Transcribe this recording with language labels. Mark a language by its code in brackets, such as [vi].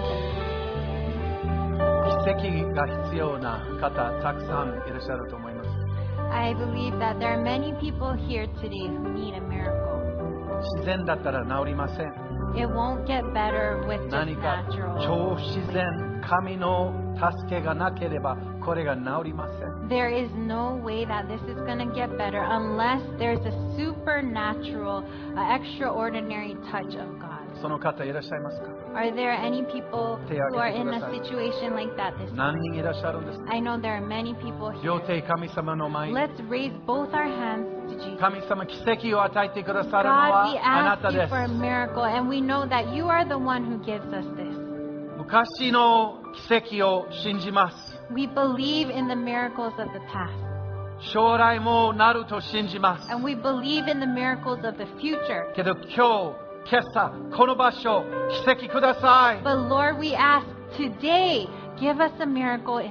[ja] 指摘が必要な方たくさんいらっしゃると思います。 [en] I believe that there are many people here today who need a miracle. [ja] 自然だったら治りません。 [en] It won't get better with just natural. [ja] 何か超自然、神の助けがなければこれが治りません。 [en] There is no way that this is going to get better unless there's a supernatural, extraordinary touch of God. [ja] その方いらっしゃいますか？ [en] Are there any people who are in a situation like that this morning? [ja] 何人いらっしゃるんですか？ [en] I know there are many people here. [ja] 両手神様の前に。 [en] Let's raise both our hands to Jesus. [ja] 神様、奇跡を与えてくださるのはあなたです。 [en] God, we ask you for a miracle, and we know that you are the one who gives us this. [ja] 昔の奇跡を信じます。 [en] We believe in the miracles of the past. [ja] 将来もなると信じます。 [en] And we believe in the miracles of the future. [ja] けど今日今朝この場所奇跡ください。 [en] But Lord, we ask today, give us a miracle in